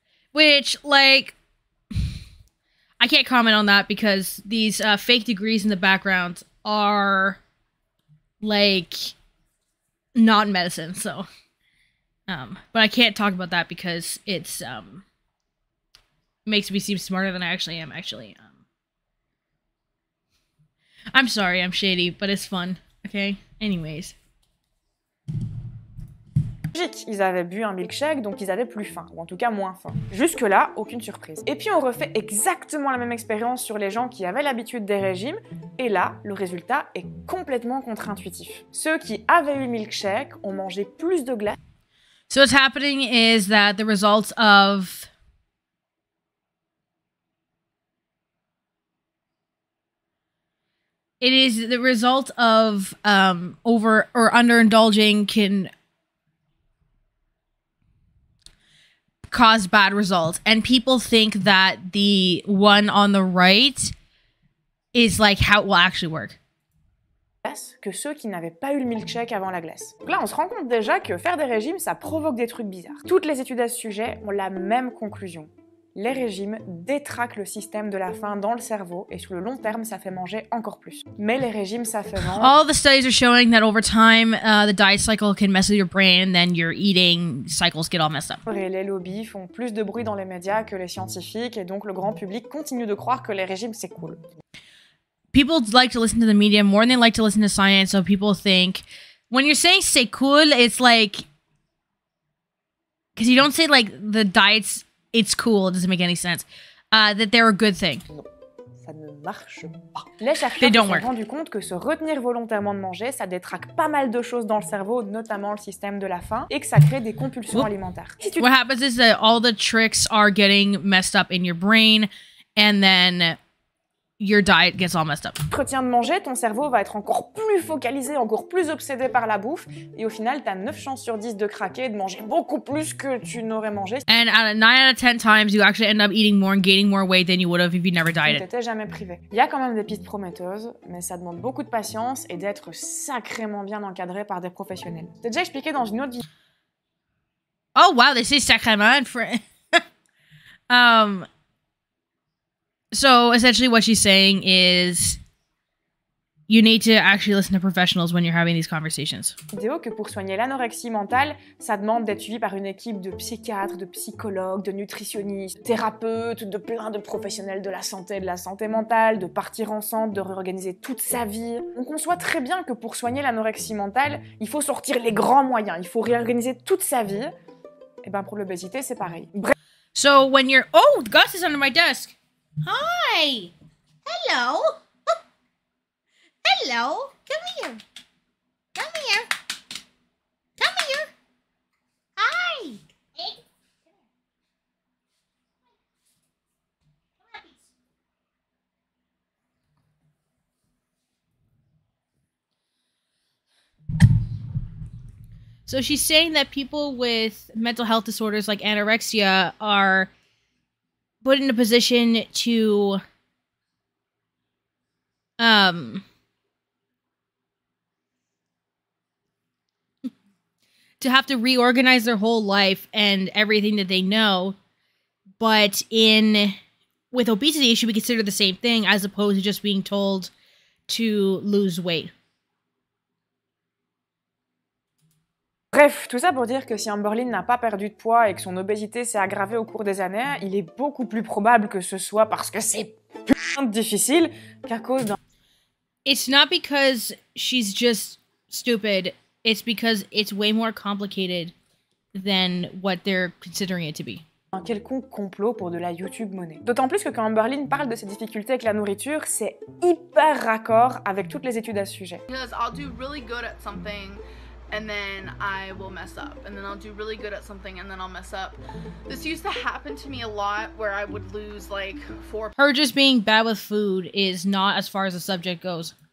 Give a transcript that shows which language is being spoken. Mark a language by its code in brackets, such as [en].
[en] Which, like, I can't comment on that because these fake degrees in the background are, like, not medicine, so. But I can't talk about that because it's, makes me seem smarter than I actually am, actually. I'm sorry, I'm shady, but it's fun, okay? Anyways. [fr] Ils avaient bu un milkshake, donc ils avaient plus faim, ou en tout cas moins faim. Jusque-là, aucune surprise. Et puis on refait exactement la même expérience sur les gens qui avaient l'habitude des régimes, et là, le résultat est complètement contre-intuitif. Ceux qui avaient eu milkshake ont mangé plus de glace. [en] So what's happening is that the results of... It is the result of over or underindulging can... cause bad results, and people think that the one on the right is like how it will actually work. [fr] Que ceux qui n'avaient pas eu le milkshake avant la glace. Donc là, on se rend compte déjà que faire des régimes, ça provoque des trucs bizarres. Toutes les études à ce sujet ont la même conclusion. Les régimes détraquent le système de la faim dans le cerveau et sur le long terme, ça fait manger encore plus. Mais les régimes, ça fait manger. [en] All the studies are showing that over time, the diet cycle can mess with your brain and then your eating cycles get all messed up. [fr] Et les lobbies font plus de bruit dans les médias que les scientifiques et donc le grand public continue de croire que les régimes, c'est cool. [en] People like to listen to the media more than they like to listen to science, so people think, when you're saying [fr] c'est cool, [en] it's like, because you don't say like the diets, it's cool, it doesn't make any sense, that they're a good thing. [fr] Non, ça ne marche pas. Les chercheurs se sont rendus compte que se retenir volontairement de manger, ça détraque pas mal de choses dans le cerveau, notamment le système de la faim, et que ça crée des compulsions alimentaires. [en] Si what happens is that all the tricks are getting messed up in your brain, and then your diet gets all messed up. [fr] Tu retiens de manger, ton cerveau va être encore plus focalisé, encore plus obsédé par la bouffe, et au final, t'as 9 chances sur 10 de craquer, de manger beaucoup plus que tu n'aurais mangé. [en] And out of 9 out of 10 times, you actually end up eating more and gaining more weight than you would have if you never dieted. [fr] Tu t'étais jamais privé. Il y a quand même des pistes prometteuses, mais ça demande beaucoup de patience et d'être sacrément bien encadré par des professionnels. Je t'ai déjà expliqué dans une autre vidéo. [en] Oh wow, this is sacrément friend. So essentially what she's saying is you need to actually listen to professionals when you're having these conversations. [fr] Vidéo que pour soigner l'anorexie mentale, ça demande d'être suivi par une équipe de psychiatres, de psychologues, de nutritionnistes, de thérapeutes, de plein de professionnels de la santé mentale, de partir ensemble, de réorganiser toute sa vie. On conçoit très bien que pour soigner l'anorexie mentale, il faut sortir les grands moyens, il faut réorganiser toute sa vie. Et ben pour l'obésité, c'est pareil. Bref. [en] So when you're oh, Gus is under my desk. Hi! Hello! Hello! Come here! Come here! Come here! Hi! So she's saying that people with mental health disorders like anorexia are put in a position to to have to reorganize their whole life and everything that they know, but in with obesity it should be considered the same thing as opposed to just being told to lose weight. [fr] Bref, tout ça pour dire que si Amberlynn n'a pas perdu de poids et que son obésité s'est aggravée au cours des années, il est beaucoup plus probable que ce soit parce que c'est putain de difficile qu'à cause d'un... [en] It's not because she's just stupid, it's because it's way more complicated than what they're considering it to be. [fr] Un quelconque complot pour de la YouTube monnaie. D'autant plus que quand Amberlynn parle de ses difficultés avec la nourriture, c'est hyper raccord avec toutes les études à ce sujet. [en] Because I'll do really good at something. And then I will mess up. And then I'll do really good at something and then I'll mess up. This used to happen to me a lot where I would lose like 4 Her just being bad with food is not as far as the subject goes.